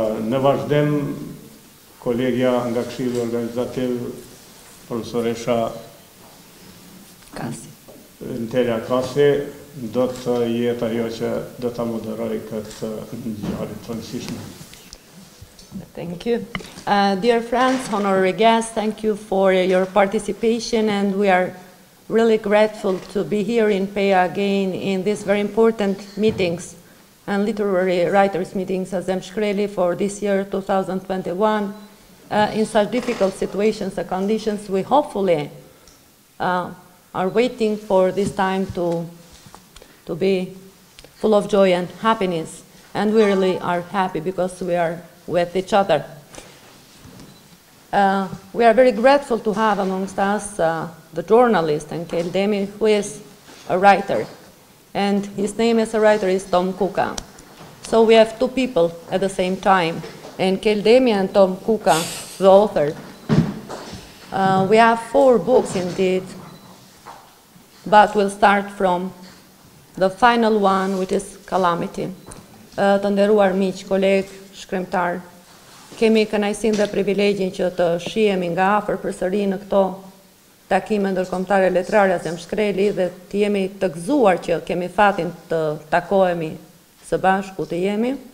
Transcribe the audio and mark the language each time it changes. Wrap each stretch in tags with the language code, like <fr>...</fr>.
<sq>Në vazhdem, kolegja nga këshilli organizativ, profesoresha Kasi. Ntelja Kasi, do të jetë ajo që do të moderoj këtë ngjarje të rëndësishme.</sq> <en>Thank you. Dear friends, honorary guests, thank you for your participation and we are really grateful to be here in PEA again in this very important meetings and literary writers meetings at Zemër Shkreli for this year 2021. In such difficult situations and conditions, we hopefully are waiting for this time to be full of joy and happiness. And we really are happy because we are with each other. We are very grateful to have amongst us the journalist Enkel Demi, who is a writer. And his name as a writer is Tom Kuka. So we have two people at the same time, Enkel Demi and Tom Kuka, the author. We have four books indeed, but we'll start from the final one, which is Calamity.</en> <sq>Të nderuar miq, kolegë, shkrimtar, kemi kënaqësinë dhe privilegjin që të shihemi nga afër përsëri në këto takime ndërkombëtare letrare të Zemër Shkreli dhe të jemi të gëzuar që kemi fatin të takohemi së bashku të jemi.</sq>